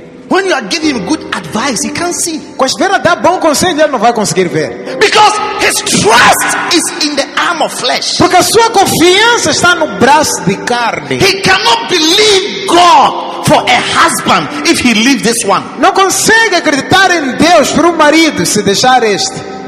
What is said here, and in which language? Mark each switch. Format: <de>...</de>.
<en>When you are giving him good advice, he can't see.</en> <pt>Quando verá dar bom conselho, ele não vai conseguir ver.</pt> <en>Because his trust is in the arm of flesh.</en> <pt>Porque a sua confiança está no braço de carne.</pt> <en>He cannot believe God for a husband if he leaves this one.</en> <pt>Não consegue acreditar em Deus por marido se deixar este.</pt>